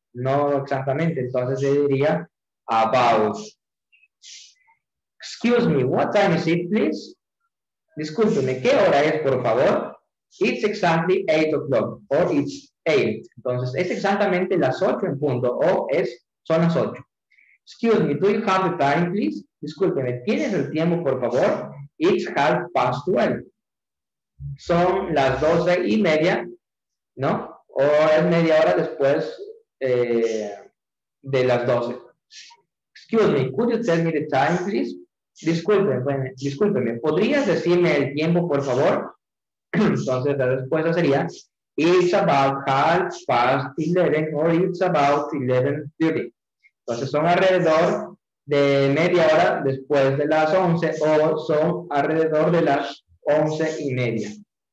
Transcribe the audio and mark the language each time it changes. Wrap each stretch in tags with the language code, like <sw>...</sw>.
<es>No exactamente, entonces yo diría</es> <en>about. Excuse me, what time is it, please?</en> <es>Discúlpeme, ¿qué hora es, por favor?</es> <en>It's exactly 8 o'clock, o it's 8.</en> <es>Entonces, es exactamente las 8 en punto, o es son las 8.</es> <en>Excuse me, do you have the time, please?</en> <es>Discúlpeme, ¿tienes el tiempo, por favor?</es> <en>It's half past 12.</en> <es>Son las 12:30, ¿no? O es media hora después de las 12.</es> <en>Excuse me, could you tell me the time, please?</en> <es>Disculpe, bueno, discúlpeme, ¿podrías decirme el tiempo, por favor? Entonces la respuesta sería:</es> <en>It's about half past 11 or it's about 11:30.</en> <es>Entonces son alrededor de media hora después de las 11 o son alrededor de las 11:30.</es>